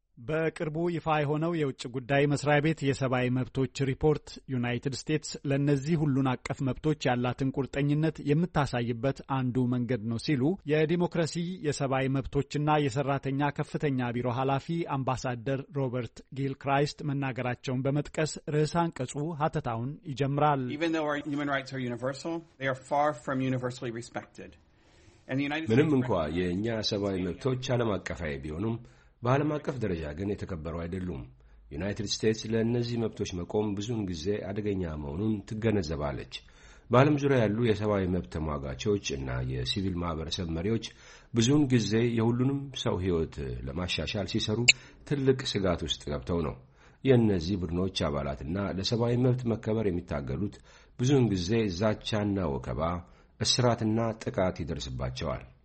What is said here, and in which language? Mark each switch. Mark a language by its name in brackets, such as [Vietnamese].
[Amharic] በቅርቡ ይፋ የሆነው የውጭ ጉዳይ መስሪያ ቤት የሰብአዊ መብቶች ሪፖርት ዩናይትድ ስቴትስ ለእነዚህ ሁሉን አቀፍ መብቶች ያላትን ቁርጠኝነት የምታሳይበት አንዱ መንገድ ነው ሲሉ የዲሞክራሲ የሰብአዊ መብቶችና የሰራተኛ ከፍተኛ ቢሮ ኃላፊ አምባሳደር ሮበርት ጊልክራይስት መናገራቸውን በመጥቀስ ርዕሰ አንቀጹ ሀተታውን ይጀምራል። [English] Even though our human rights are universal, they are far from universally respected. [Amharic] ምንም እንኳ የእኛ ሰብአዊ መብቶች ዓለም አቀፋዊ ቢሆኑም በዓለም አቀፍ ደረጃ ግን የተከበሩ አይደሉም። ዩናይትድ ስቴትስ ለእነዚህ መብቶች መቆም ብዙውን ጊዜ አደገኛ መሆኑን ትገነዘባለች። በዓለም ዙሪያ ያሉ የሰብአዊ መብት ተሟጋቾች እና የሲቪል ማህበረሰብ መሪዎች ብዙውን ጊዜ የሁሉንም ሰው ሕይወት ለማሻሻል ሲሰሩ ትልቅ ስጋት ውስጥ ገብተው ነው። የእነዚህ ቡድኖች አባላትና ለሰብአዊ መብት መከበር የሚታገሉት ብዙውን ጊዜ ዛቻና ወከባ፣ እስራትና ጥቃት ይደርስባቸዋል።